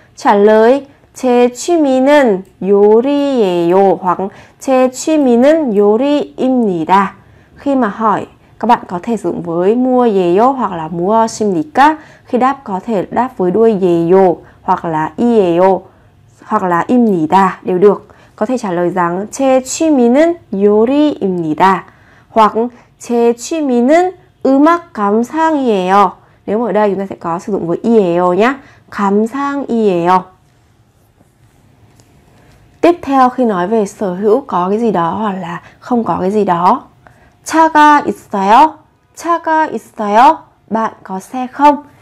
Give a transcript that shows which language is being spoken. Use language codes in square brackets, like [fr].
[vi] Trả lời. [ko] 제 취미는 요리예요. 황. 제 취미는 요리입니다. [vi] Khi mà hỏi, các bạn có thể sử dụng với 무엇이에요 hoặc là 무엇입니까? Khi đáp có thể đáp với đuôi 예요 hoặc là 이에요 hoặc là 입니다 đều được. Có thể trả lời rằng [ko] 제 취미는 요리입니다 [vi] hoặc [ko] 제 취미는 음악 감상이에요. [vi] Nếu ở đây chúng ta sẽ có sử dụng với 이에요 nhé. [ko] 감상이에요. [vi] Tiếp theo khi nói về sở hữu có cái gì đó hoặc là không có cái gì đó. [ko] 차가 있어요? 차가 있어요? [vi] Bạn có xe không?